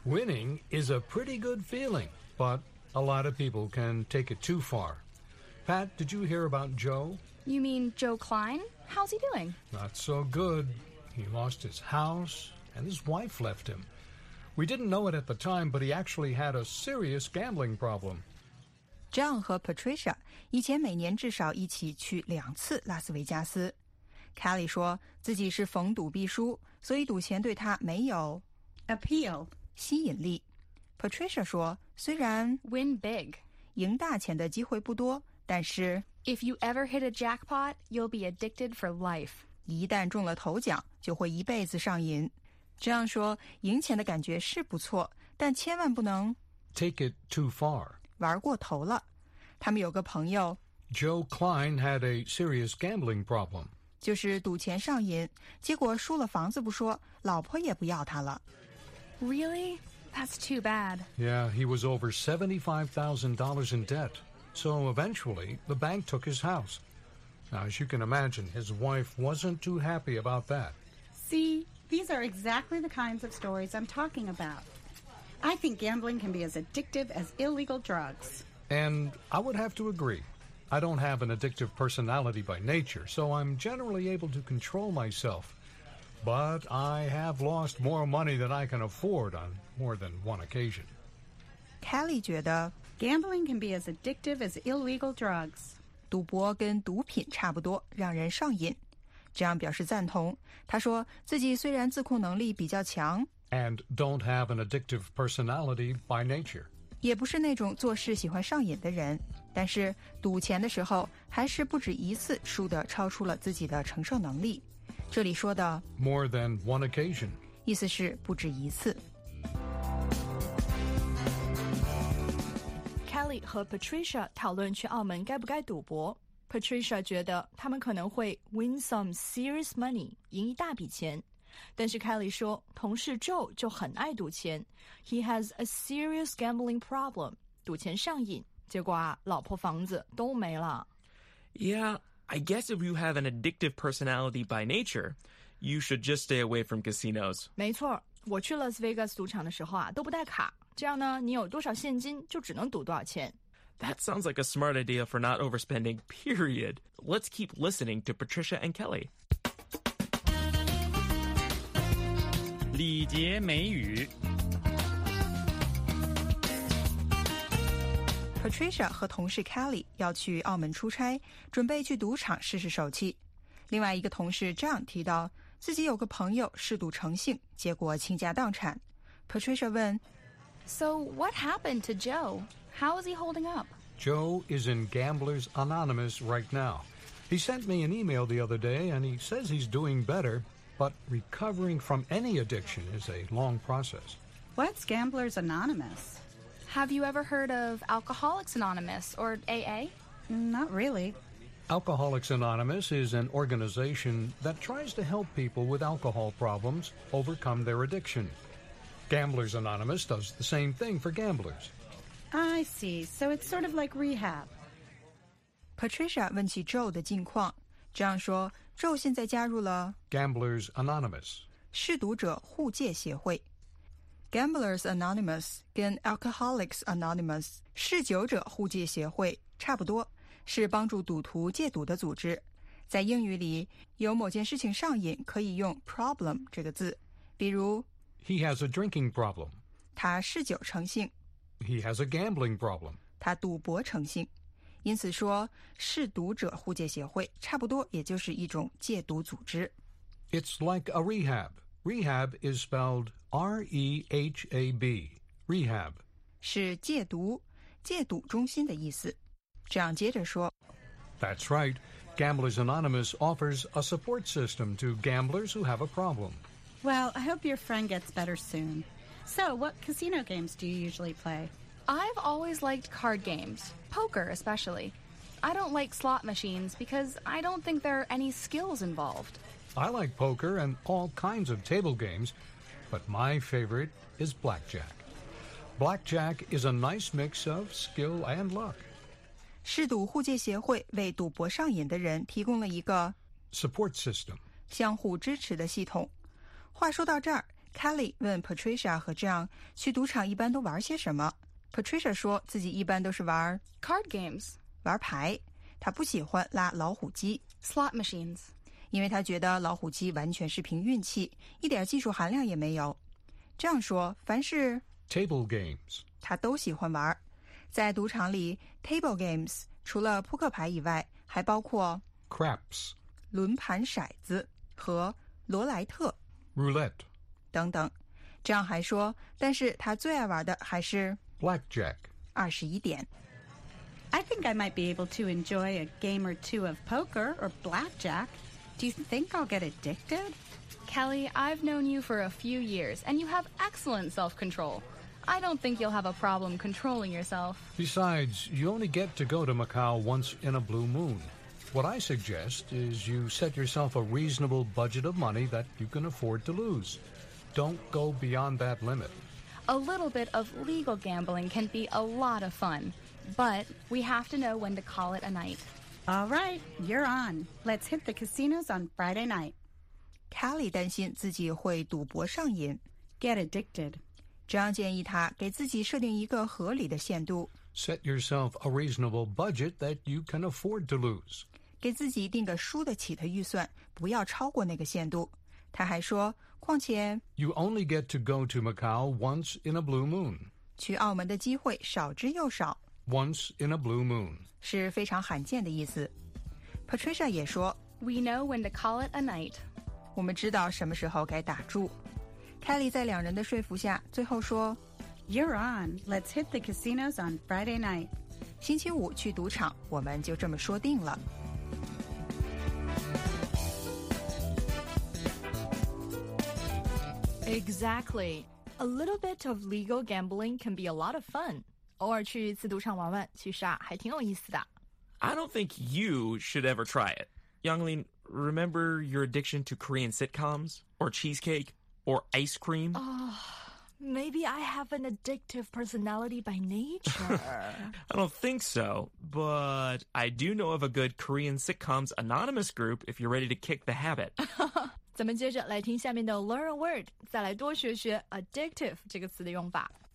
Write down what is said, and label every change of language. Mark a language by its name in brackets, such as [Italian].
[English] Winning is a pretty good feeling, but a lot of people can take it too far. Pat, did you hear about Joe? You mean Joe Klein? How's he doing? Not so good. He lost his house, and his wife left him. We didn't know it at the time, but he actually had a serious gambling problem. [Chinese] John 和 Patricia 以前每年至少一起去两次拉斯维加斯。 Kelly 说自己是逢赌必输，所以赌钱对他没有 [English] appeal [Chinese] 吸引力。 Patricia 说虽然 [English] win big [Chinese] 赢大钱的机会不多，但是 [English] if you ever hit a jackpot, you'll be addicted for life. [Chinese] 一旦中了头奖就会一辈子上瘾。这样说赢钱的感觉是不错，但千万不能 [English] take it too far [Chinese] 玩过头了。他们有个朋友 [English] Joe Klein had a serious gambling problem. [Chinese] 就是赌钱上瘾，结果输了房子不说，老婆也不要他了。 [English] Really? That's too bad. Yeah, he was over $75,000 in debt. So eventually, the bank took his house. Now, as you can imagine, his wife wasn't too happy about that. See, these are exactly the kinds of stories I'm talking about. I think gambling can be as addictive as illegal drugs. And I would have to agree. I don't have an addictive personality by nature, so I'm generally able to control myself. But I have lost more money than I can afford on more than one occasion. [Chinese] Kelly 觉得 [English] gambling can be as addictive as illegal drugs. [Chinese] 赌博跟毒品差不多，让人上瘾。这样表示赞同。他说自己虽然自控能力比较强 [English] and don't have an addictive personality by nature. [Chinese] 也不是那种做事喜欢上瘾的人。但是赌钱的时候还是不止一次输得超出了自己的承受能力。这里说的 [English] more than one occasion [Chinese] 意思是不止一次。 Kelly 和 Patricia 讨论去澳门该不该赌博。 Patricia 觉得他们可能会 [English] win some serious money [Chinese] 赢一大笔钱，但是 Kelly 说同事 Joe 就很爱赌钱， [English] He has a serious gambling problem， [Chinese] 赌钱上瘾，结果啊，老婆房子都没了。 [English] Yeah, I guess if you have an addictive personality by nature, you should just stay away from casinos. [Chinese] 没错，我去 Las Vegas 赌场的时候啊，都不带卡，这样呢，你有多少现金就只能赌多少钱。 [English] That sounds like a smart idea for not overspending, period. Let's keep listening to Patricia and Kelly. [Chinese] 礼节美语。 Patricia 和同事 Kelly 要去澳门出差，准备去赌场试试手气。另外一个同事 John 提到自己有个朋友嗜赌成性，结果倾家荡产。 Patricia 问 [English] So what happened to Joe? How is he holding up? Joe is in Gamblers Anonymous right now. He sent me an email the other day and he says he's doing better, but recovering from any addiction is a long process. What's Gamblers Anonymous? Have you ever heard of Alcoholics Anonymous, or AA? Not really. Alcoholics Anonymous is an organization that tries to help people with alcohol problems overcome their addiction. Gamblers Anonymous does the same thing for gamblers. I see. So it's sort of like rehab. [Chinese] Patricia 问起 Joe 的近况。John 说 Joe 现在加入了 [English] Gamblers Anonymous. [Chinese] 嗜赌者互戒协会。 Gamblers Anonymous 跟 Alcoholics Anonymous 嗜酒者互戒协会差不多，是帮助赌徒戒赌的组织。在英语里，有某件事情上瘾可以用 problem 这个字，比如 [English] He has a drinking problem. [Chinese] 他嗜酒成性。 [English] He has a gambling problem. [Chinese] 他赌博成性。因此说，嗜赌者互戒协会差不多也就是一种戒赌组织。 [English] It's like a rehab. Rehab is spelled R-E-H-A-B, rehab. [Chinese] 是戒毒，戒毒中心的意思。这样接着说。 [English] That's right. Gamblers Anonymous offers a support system to gamblers who have a problem. Well, I hope your friend gets better soon. So, what casino games do you usually play? I've always liked card games, poker especially. I don't like slot machines because I don't think there are any skills involved. I like poker and all kinds of table games, but my favorite is blackjack. Blackjack is a nice mix of skill and luck. [Chinese] 嗜赌互戒协会为赌博上瘾的人提供了一个 [English] support system, [Chinese] 相互支持的系统。话说到这儿 ,Kelly 问 Patricia 和 John 去赌场一般都玩些什么。 Patricia 说自己一般都是玩 card games, 玩牌。她不喜欢拉老虎机 [English] slot machines. [Chinese] 因为他觉得老虎机完全是凭运气，一点技术含量也没有。这样说，凡是 [English] table games, [Chinese] 他都喜欢玩。在赌场里 ，table games 除了扑克牌以外，还包括 [English] craps, [Chinese] 轮盘骰子和罗莱特 [English] roulette [Chinese] 等等。这样还说，但是他最爱玩的还是 [English] blackjack, [Chinese] 21点。 [English] I think I might be able to enjoy a game or two of poker or blackjack. Do you think I'll get addicted? Kelly, I've known you for a few years, and you have excellent self-control. I don't think you'll have a problem controlling yourself. Besides, you only get to go to Macau once in a blue moon. What I suggest is you set yourself a reasonable budget of money that you can afford to lose. Don't go beyond that limit. A little bit of legal gambling can be a lot of fun, but we have to know when to call it a night. All right, you're on. Let's hit the casinos on Friday night. [Chinese] Kelly 担心自己会赌博上瘾。 [English] Get addicted. [Chinese] John 建议他给自己设定一个合理的限度。 [English] Set yourself a reasonable budget that you can afford to lose. [Chinese] 给自己定个输得起的预算，不要超过那个限度。他还说，况且 [English] You only get to go to Macau once in a blue moon. [Chinese] 去澳门的机会少之又少。 [English] Once in a blue moon. [Chinese] 是非常罕见的意思。 Patricia 也说 [English] We know when to call it a night. [Chinese] 我们知道什么时候该打住。Kelly 在两人的说服下最后说 [English] You're on. Let's hit the casinos on Friday night. [Chinese] 星期五去赌场，我们就这么说定了。 [English] Exactly. A little bit of legal gambling can be a lot of fun. [Chinese] 偶尔去一次赌场玩玩，其实啊，还挺有意思的。 [English] I don't think you should ever try it. Younglin, remember your addiction to Korean sitcoms? Or cheesecake? Or ice cream? Maybe I have an addictive personality by nature. I don't think so, but I do know of a good Korean sitcoms anonymous group if you're ready to kick the habit. [Chinese] 咱们接着来听下面的 Learn a Word, 再来多学学 addictive 这个词的用法。